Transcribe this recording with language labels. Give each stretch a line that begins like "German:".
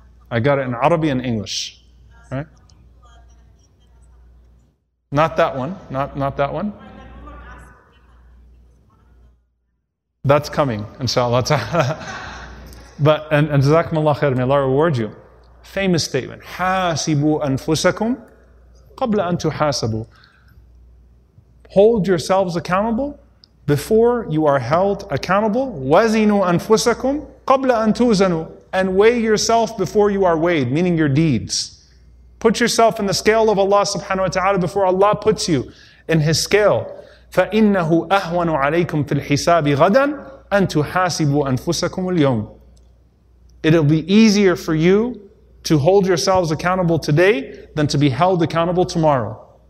English: I got it in Arabic and English. Right? Not that one. Not that one. That's coming, inshallah. But and jazakumullah khair, may Allah reward you. Famous statement.
Arabic: حاسبوا أنفسكم قبل أن تحاسبوا.
English: Hold yourselves accountable before you are held accountable.
Arabic: وزنوا أنفسكم قبل أن توزنوا.
English: And weigh yourself before you are weighed, meaning your deeds. Put yourself in the scale of Allah subhanahu wa ta'ala before Allah puts you in His scale.
Arabic: فَإِنَّهُ أَهْوَنُ عَلَيْكُمْ فِي الْحِسَابِ غَدًا أَن تُحَاسِبُوا أَنفُسَكُمُ الْيَوْمِ.
English: It'll be easier for you to hold yourselves accountable today than to be held accountable tomorrow.